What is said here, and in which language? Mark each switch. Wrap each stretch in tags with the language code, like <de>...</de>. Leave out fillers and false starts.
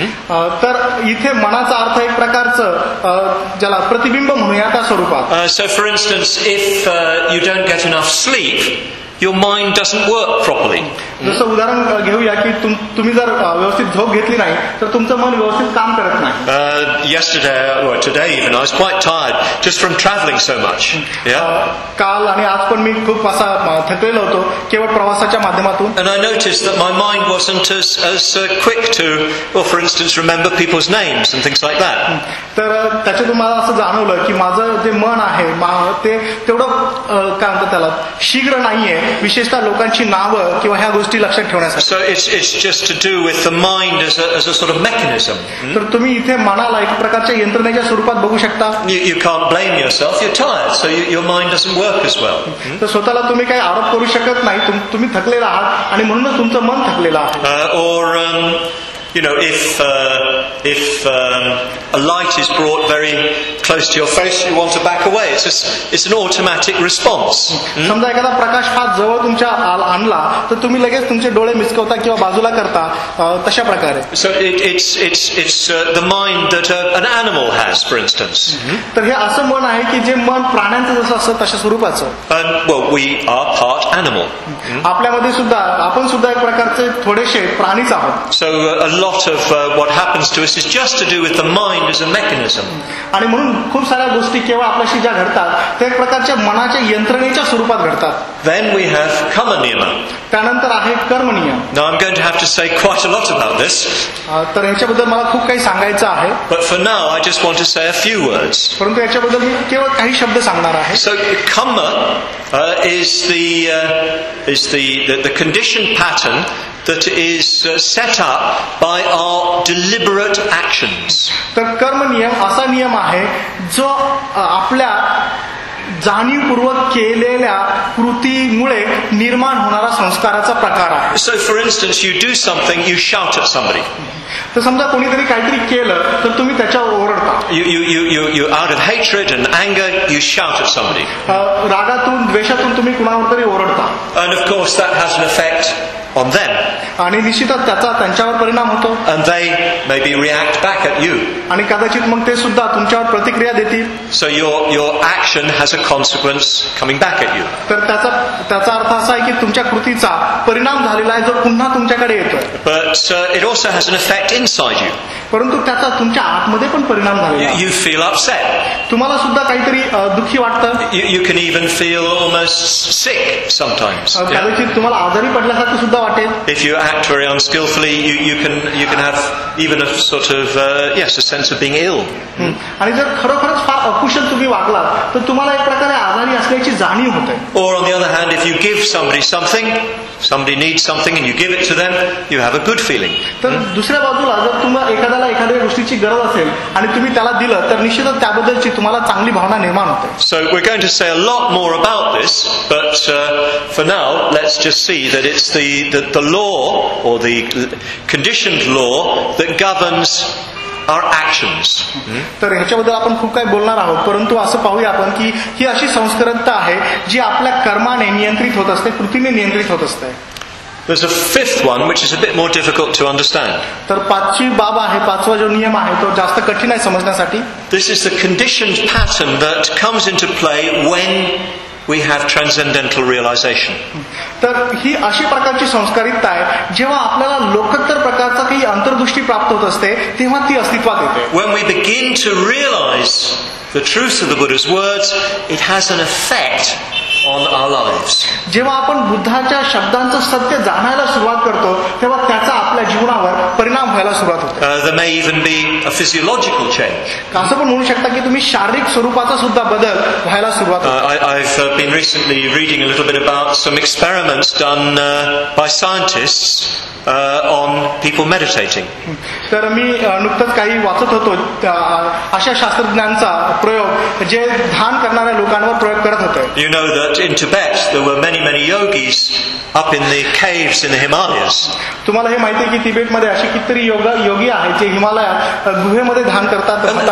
<mr>तर इथे मनाचा अर्थ एक प्रकारचं ज्याला प्रतिबिंब म्हणूया त्या स्वरूपात.</mr> <en>So for instance, if you don't get enough sleep, your mind doesn't work properly.</en> <mr>जसं उदाहरण घेऊया की तुम्ही जर व्यवस्थित झोप घेतली नाही तर तुमचं मन व्यवस्थित काम करत नाही.</mr> <en>Yesterday or today even I was quite tired just from traveling so much. Yeah.</en> <mr>काल आणि आज पण मी खूप असा थकलेलो होतो केवळ प्रवासाच्या माध्यमातून.</mr> <en>And I noticed that my mind wasn't as quick to for instance remember people's names and things like that.</en> <mr>तर त्याच्यातून मला असं जाणवलं की माझं जे मन आहे तेवढं काय म्हणतात त्याला शीघ्र नाहीये विशेषतः लोकांची नावं किंवा ह्या गोष्टी लक्षात ठेवण्यासाठी.</mr> <en>So it's just to do with the mind as a sort of mechanism.</en> <mr>तर तुम्ही इथे मनाला एक प्रकारच्या यंत्रणेच्या स्वरूपात बघू शकता.</mr> <en>You can't blame yourself, you're tired, so your mind doesn't work as well.</en> <mr>तर स्वतःला तुम्ही काही आरोप करू शकत नाही तुम्ही थकलेला आहात आणि म्हणूनच तुमचं मन थकलेलं आहे.</mr> <en>Or you know, if a light is brought very close to your face, you want to back away. It's an automatic response.</en> <mr>समजा एखादा प्रकाश फार जवळ तुमच्या आणला तर तुम्ही लगेच तुमचे डोळे मिचकवता किंवा बाजूला करता तशा प्रकारे.</mr> <en>So it's the mind that an animal has, for instance.</en> <mr>तर हे असं मन आहे की जे मन प्राण्यांचं जसं असतं तशा स्वरूपाचं.</mr> <en>We are part animal.</en> <mr>आपल्यामध्ये सुद्धा आपण सुद्धा एक प्रकारचे थोडेसे प्राणीच आहोत.</mr> <en>So a lot of what happens to us is just to do with the mind as a mechanism.</en> <mr>आणि म्हणून खूप साऱ्या गोष्टी केवळ आपल्याशी ज्या घडतात त्या एक प्रकारच्या मनाच्या यंत्रणेच्या स्वरूपात घडतात.</mr> <en>Then we have kamaniyama.</en> <mr>त्यानंतर आहे कर्मनियम.</mr> <en>Now I'm going to have to say quite a lot about this.</en> <mr>तर याच्याबद्दल मला खूप काही सांगायचं आहे.</mr> <en>But for now I just want to say a few words.</en> <mr>परंतु याच्याबद्दल मी केवळ काही शब्द सांगणार आहे.</mr> <en>So kamma is the conditioned pattern that is set up by our deliberate actions.</en> <mr>तर कर्म नियम असा नियम आहे जो आपल्या जाणीवपूर्वक केलेल्या कृतीमुळे निर्माण होणारा संस्काराचा प्रकार आहे.</mr> <en>So for instance, you do something, you shout at somebody.</en> <mr>तर समजा कोणीतरी काहीतरी केलं तर तुम्ही त्याच्यावर ओरडता.</mr> <en>You out of hatred and anger you shout at somebody.</en> <mr>रागातून द्वेषातून तुम्ही कुणावर तरी ओरडता.</mr> <en>And of course that has an effect on them.</en> <mr>आणि निश्चितच त्याचा त्यांच्यावर परिणाम होतो.</mr> <en>And they maybe react back at you.</en> <mr>आणि कदाचित मग ते सुद्धा तुमच्यावर प्रतिक्रिया देतील.</mr> <en>So your action has a consequence coming back at you.</en> <mr>तर त्याचा अर्थ असा आहे की तुमच्या कृतीचा परिणाम झालेला आहे जो पुन्हा तुमच्याकडे येतो.</mr> <en>But it also has an effect inside you.</en> <mr>परंतु त्याचा तुमच्या आतमध्ये पण परिणाम झालेला आहे.</mr> <en>You feel upset.</en> <mr>तुम्हाला सुद्धा काहीतरी दुःखी वाटतं.</mr> <en>You can even feel almost sick sometimes.</en> <mr>कदाचित तुम्हाला आजारी पडल्यासारखं सुद्धा वाटेल.</mr> <en>If you act very unskillfully, you can have even a sort of a sense of being ill.</en> <mr>आणि जर खरोखरच फार अकुशल तुम्ही वागलात तर तुम्हाला एक प्रकारे आजारी असल्याची जाणीव होते.</mr> <en>Or on the other hand, if you give somebody something, somebody needs something and you give it to them, you have a good feeling.</en> <mr>तर दुसऱ्या बाजूला जर तुम्हाला एखाद्याला एखाद्या गोष्टीची गरज असेल आणि तुम्ही त्याला दिलं तर निश्चितच त्याबद्दलची तुम्हाला चांगली भावना निर्माण होते.</mr> <en>So we're going to say a lot more about this, but for now let's just see that it's the law or the conditioned law that governs our actions.</en> <mr>तर ह्याच्याबद्दल आपण खूप काही बोलणार आहोत परंतु असं पाहूया आपण की ही अशी संस्कृतता आहे जी आपल्या कर्माने नियंत्रित होत असते कृतीने नियंत्रित होत असते.</mr> <en>There's a fifth one which is a bit more difficult to understand.</en> <mr>तर पाचवी बाब आहे पाचवा जो नियम आहे तो जास्त कठीण आहे समजण्यासाठी.</mr> <en>This is the conditioned pattern that comes into play when we have transcendental realization.</en> <mr>तर ही अशी प्रकारची संस्कारिता आहे जेव्हा आपल्याला लोकोत्तर प्रकारचा काही अंतर्दृष्टी प्राप्त होत असते तेव्हा ती अस्तित्वात येते.</mr> <en>When we begin to realize the truth of the Buddha's words, it has an effect on our lives.</en> <mr>जेव्हा आपण बुद्धाच्या शब्दांचं सत्य जाणायला सुरुवात करतो तेव्हा त्याचा आपल्या जीवनावर परिणाम व्हायला सुरुवात होतो.</mr> <en>There may even be a physiological change.</en> <mr>असं पण म्हणू शकता की तुम्ही शारीरिक स्वरूपाचा सुद्धा बदल व्हायला सुरुवात होतो.</mr> <en>I've been recently reading a little bit about some experiments done by scientists on people meditating.</en> <mr>तर मी नुकतंच काही वाचत होतो अशा शास्त्रज्ञांचा प्रयोग जे ध्यान करणाऱ्या लोकांवर प्रयोग करत होते.</mr> <en>You know that in Tibet there were many many yogis up in the caves in the Himalayas.</en> <mr>तुम्हाला हे माहिती आहे की तिबेट मध्ये अशी कितीतरी योगी आहेत जे हिमालयात गुहेमध्ये ध्यान करतात.</mr>